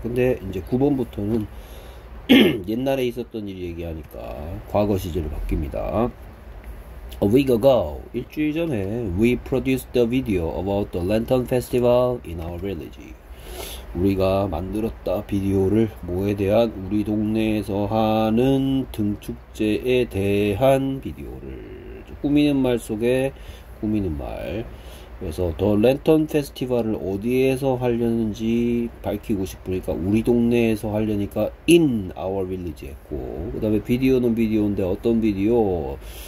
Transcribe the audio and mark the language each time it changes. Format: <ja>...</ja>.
<ko>근데 이제 9번부터는 옛날에 있었던 일 얘기하니까 과거 시제로 바뀝니다.</ko> <en>A week ago,</en> <ko>일주일 전에,</ko> <en>we produced the video about the Lantern Festival in our village.</en> <ko>우리가 만들었다, 비디오를 뭐에 대한 우리 동네에서 하는 등축제에 대한 비디오를. 꾸미는 말 속에 꾸미는 말. 그래서 더 랜턴 페스티벌을 어디에서 하려는지 밝히고 싶으니까 우리 동네에서 하려니까</ko> <en>in our village</en> <ko>했고, 그 다음에 비디오는 비디오인데 어떤 비디오?</ko>